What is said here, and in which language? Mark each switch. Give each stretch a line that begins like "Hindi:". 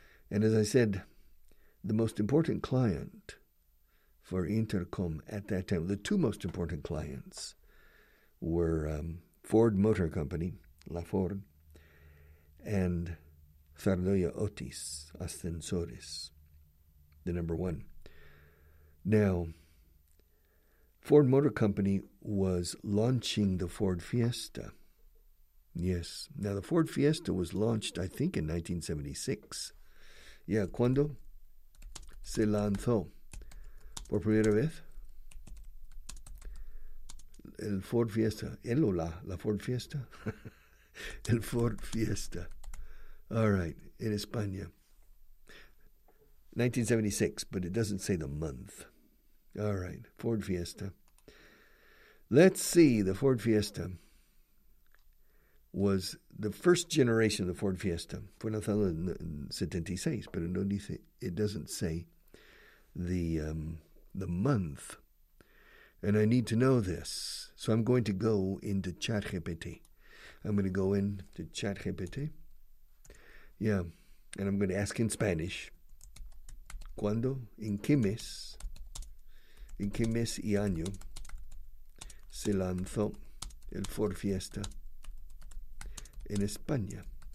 English: And as I said, the most important client for Intercom at that time, the two most important clients were Ford Motor Company, La Ford, and Zardoya Otis Ascensores, the number one. Now, Ford Motor Company was launching the Ford Fiesta. Yes. Now, the Ford Fiesta was launched, I think, in 1976.
Spanish: Yeah, cuando se lanzó por primera vez el Ford Fiesta. El o la Ford Fiesta. El Ford Fiesta.
English: All right, in España. 1976, but it doesn't say the month. All right, Ford Fiesta. Let's see, the Ford Fiesta was the first generation of the Ford Fiesta.
Spanish: Fue lanzado en 76, pero no dice,
English: it doesn't say the month. And I need to know this, so I'm going to go into ChatGPT. I'm going to go in to ChatGPT. Yeah, and I'm going to ask in Spanish.
Spanish: ¿Cuándo? ¿En qué mes? ¿En qué mes y año se lanzó el Ford Fiesta en España?